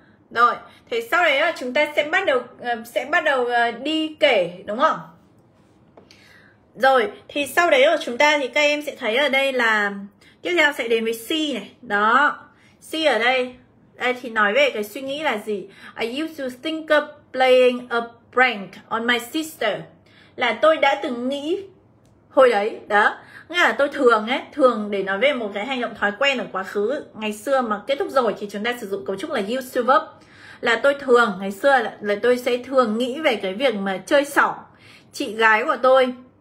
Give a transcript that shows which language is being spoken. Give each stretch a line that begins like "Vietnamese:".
Vietnamese: Rồi, thế sau đấy là chúng ta sẽ bắt đầu đi kể, đúng không? Rồi, thì sau đấy là chúng ta thì các em sẽ thấy ở đây là tiếp theo sẽ đến với C này, đó. C ở đây, đây thì nói về cái suy nghĩ là gì?
English: I used to think of playing a prank on my sister.
Vietnamese: Là tôi đã từng nghĩ hồi đấy, đó. Nghĩa là tôi thường ấy, thường để nói về một cái hành động thói quen ở quá khứ, ngày xưa mà kết thúc rồi thì chúng ta sử dụng cấu trúc là used to verb. Là tôi thường, ngày xưa là tôi sẽ thường nghĩ về cái việc mà chơi xỏ chị gái của tôi.